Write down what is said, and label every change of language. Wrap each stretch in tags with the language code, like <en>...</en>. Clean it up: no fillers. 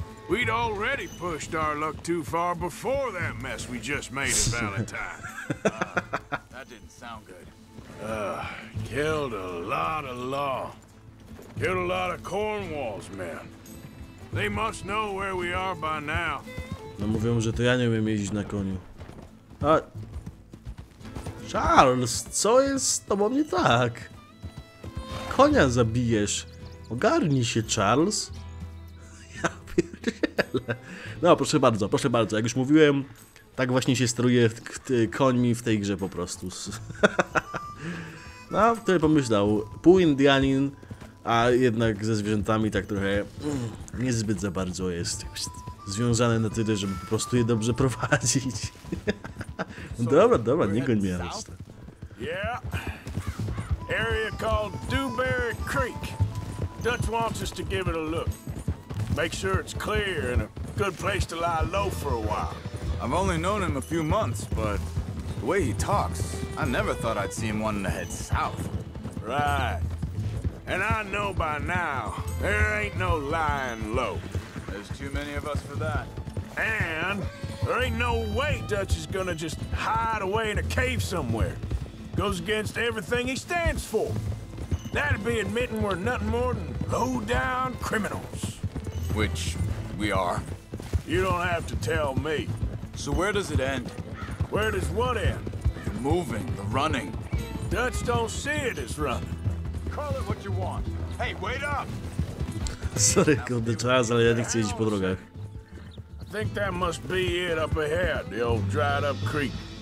<en>We'd already pushed our luck too far before that mess we just made at Valentine. That didn't sound good. Killed a lot of law. Killed a lot of Cornwall's men. They must know where we are by now.</en> <pl>No mówią, że to ja nie umiem jeździć na koniu. A Charles, co jest z tobą nie tak? Konia zabijesz. Ogarnij się, Charles. Ja pierdzielę. No, proszę bardzo, proszę bardzo. Jak już mówiłem, tak właśnie się steruje końmi w tej grze po prostu. No, wtedy pomyślał. Pół Indianin, a jednak ze zwierzętami tak trochę niezbyt za bardzo jest związane na tyle, żeby po prostu je dobrze prowadzić. Dobra, dobra, nie goń mnie.</pl> <en>Yeah. Area called Dewberry Creek. Dutch wants us to give it a look. Make sure it's clear and a good place to lie low for a while. I've only known him a few months, but the way he talks, I never thought I'd see him wanting to head south. Right. And I know by now, there ain't no lying low. There's too many of us for that. And there ain't no way Dutch is gonna just hide away in a cave somewhere. Goes against everything he stands for. That'd be admitting we're nothing more than low-down criminals. Which we are. You don't have to tell me. So where does it end? Where does what end? The moving, the running. Dutch don't see it as running. Call it what you want. Hey, wait up!</en> <pl>Sorry, kurde, czas, ale ja nie chcę iść po drogach.</pl> <en>I think that must be it up ahead, the old dried up creek.</en>